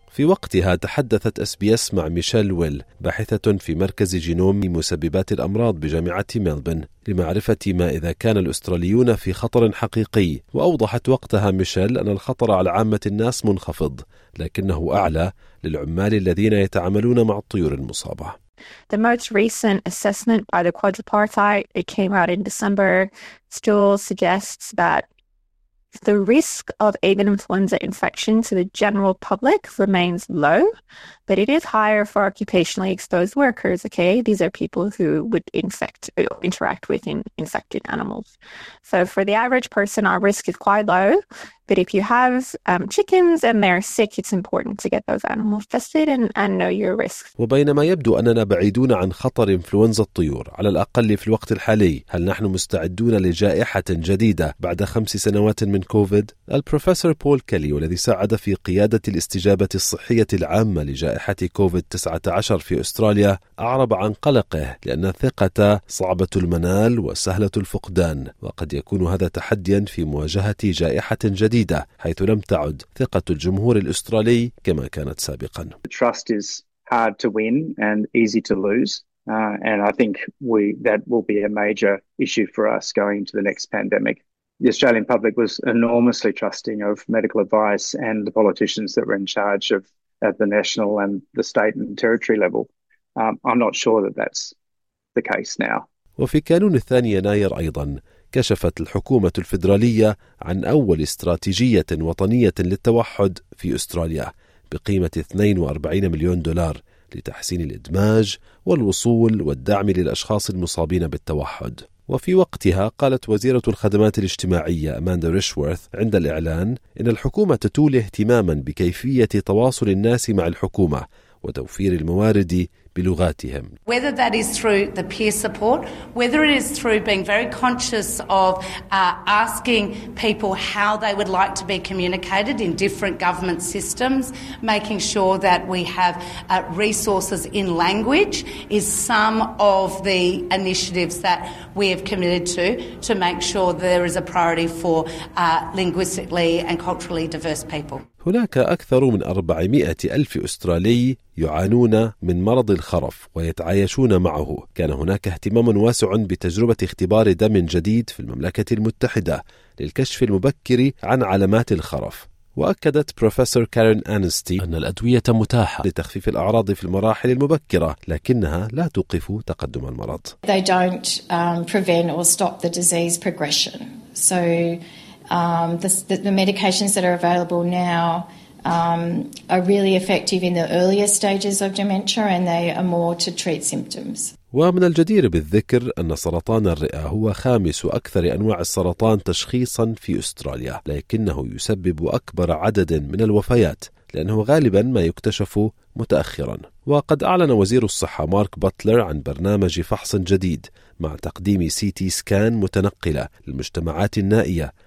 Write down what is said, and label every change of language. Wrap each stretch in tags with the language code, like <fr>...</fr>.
<ar>في وقتها تحدثت SBS مع ميشيل ويل، باحثة في مركز جينوم مسببات الأمراض بجامعة ميلبن، لمعرفة ما إذا كان الأستراليون في خطر حقيقي. وأوضحت وقتها ميشيل أن الخطر على عامة الناس منخفض، لكنه أعلى للعمال الذين يتعاملون مع الطيور المصابة.</ar> <en>The most recent assessment by the Quadripartite, it came out in December, still suggests that the risk of avian influenza infection to the general public remains low, but it is higher for occupationally exposed workers, okay? These are people who would infect or interact with infected animals. So for the average person, our risk is quite low, but if you have chickens and they're sick, it's important to get those animals tested and know your risk.</en> <ar>وبينما يبدو أننا بعيدون عن خطر إنفلونزا الطيور على الأقل في الوقت الحالي، هل نحن مستعدون لجائحة جديدة بعد 5 سنوات من كوفيد؟ البروفيسور بول كيلي، والذي ساعد في قيادة الاستجابة الصحية العامة لجائحة كوفيد-19 في أستراليا، أعرب عن قلقه لأن الثقة صعبة المنال وسهلة الفقدان، وقد يكون هذا تحديا في مواجهة جائحة جديدة حيث لم تعد ثقة الجمهور الأسترالي كما كانت سابقا.</ar> <en>Trust is hard to win and easy to lose, and I think that will be a major issue for us going into the next pandemic. The Australian public was enormously trusting of medical advice and the politicians that were in charge of at the national and the state and territory level. I'm not sure that that's the case now.</en> <ar>وفي كانون الثاني يناير أيضا كشفت الحكومة الفيدرالية عن أول استراتيجية وطنية للتوحد في أستراليا بقيمة 42 مليون دولار لتحسين الإدماج والوصول والدعم للأشخاص المصابين بالتوحد. وفي وقتها قالت وزيرة الخدمات الاجتماعية أماندا ريشورث عند الإعلان إن الحكومة تولي اهتماما بكيفية تواصل الناس مع الحكومة وتوفير الموارد بلغاتهم.</ar> <en>Whether that is through the peer support, whether it is through being very conscious of asking people how they would like to be communicated in different government systems, making sure that we have resources in language is some of the initiatives that we have committed to make sure there is a priority for linguistically and culturally diverse people.</en> <ar>هناك أكثر من 400 ألف أسترالي يعانون من مرض الخرف ويتعايشون معه. كان هناك اهتمام واسع بتجربة اختبار دم جديد في المملكة المتحدة للكشف المبكر عن علامات الخرف. وأكدت بروفيسور كارين أنستي أن الأدوية متاحة لتخفيف الأعراض في المراحل المبكرة، لكنها لا توقف تقدم المرض.</ar> <en>They don't prevent or stop the disease progression. So the medications that are available now are really effective in the earlier stages of dementia, and they are more to treat symptoms.</en> <ar>ومن الجدير بالذكر أن سرطان الرئة هو خامس أكثر أنواع السرطان تشخيصا في أستراليا، لكنه يسبب أكبر عدد من الوفيات لأنه غالبا ما يكتشف متأخرا. وقد أعلن وزير الصحة مارك باتلر عن برنامج فحص جديد مع تقديم CT scan متنقلة للمجتمعات النائية</ar>